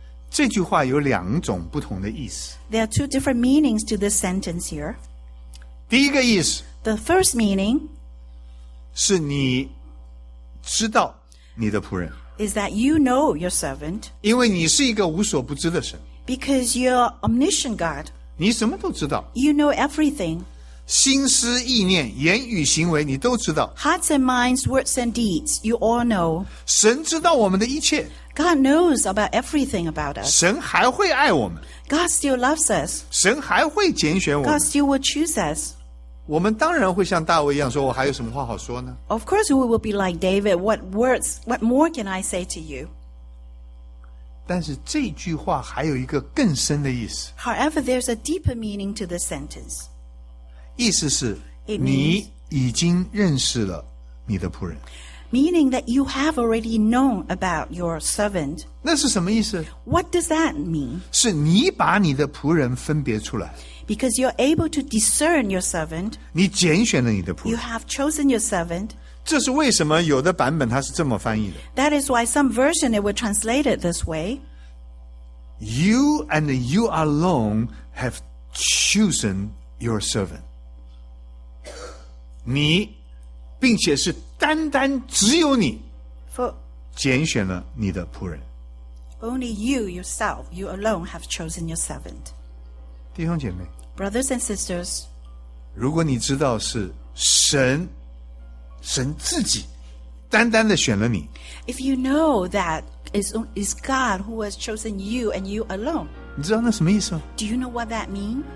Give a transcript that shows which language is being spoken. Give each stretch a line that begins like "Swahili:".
Chinese: 这句话有两种不同的意思。
English: There are two different meanings to this sentence here.
Chinese: 第一个意思
English: The first meaning
Chinese: 是你知道你的仆人
English: Is that you know your servant
Chinese: 因为你是一个无所不知的神
English: Because you're omniscient God
Chinese: 你什么都知道
English: You know everything
Chinese: 心思意念言语行为你都知道
English: Hearts and minds, words and deeds, you all know
Chinese: 神知道我们的一切
English: God knows about everything about us.
Chinese: 神还会爱我们。
English: God still loves us.
Chinese: 神还会拣选我们。
English: God still will choose us.
Chinese: 我们当然会像大卫一样说，我还有什么话好说呢？
English: Of course we will be like David. What words, what more can I say to you?
Chinese: 但是这句话还有一个更深的意思。
English: However, there's a deeper meaning to this sentence.
Chinese: 意思是
English: It means,
Chinese: 你已经认识了你的仆人。
English: Meaning that you have already known about your servant.
Chinese: 那是什么意思?
English: What does that mean?
Chinese: 是你把你的仆人分别出来。
English: Because you're able to discern your servant.
Chinese: 你拣选了你的仆人。
English: You have chosen your servant.
Chinese: 这是为什么有的版本它是这么翻译的。
English: That is why some version it was translated this way. You and you alone have chosen your servant.
Chinese: 你并且是单单只有你拣选了你的仆人
English: Only you yourself, you alone have chosen your servant
Chinese: 弟兄姐妹
English: Brothers and sisters
Chinese: 如果你知道是神神自己单单的选了你
English: If you know that it's God who has chosen you and you alone
Chinese: 你知道那什么意思吗
English: Do you know what that means?